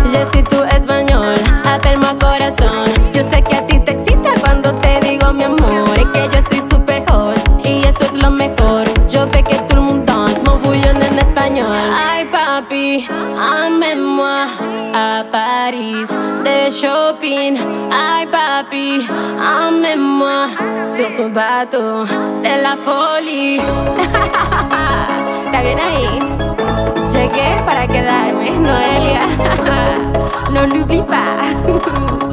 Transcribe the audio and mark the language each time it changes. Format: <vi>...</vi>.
<fr>Je suis</fr> <es>tu español,</es> <fr>appelle-moi corazón.</fr> <es>Yo sé que a ti te excita cuando te digo mi amor. Es que yo soy super hot y eso es lo mejor. Yo veo que todo el mundo se movió en español. Ay, papi,</es> <fr>amenez-moi a París.</fr> <es>De shopping. Ay, papi,</es> <fr>amenez-moi sur ton bateau. C'est la folie.</fr> <es>¿Está bien ahí? Llegué para quedarme, Noelia. No lo olvides.</es>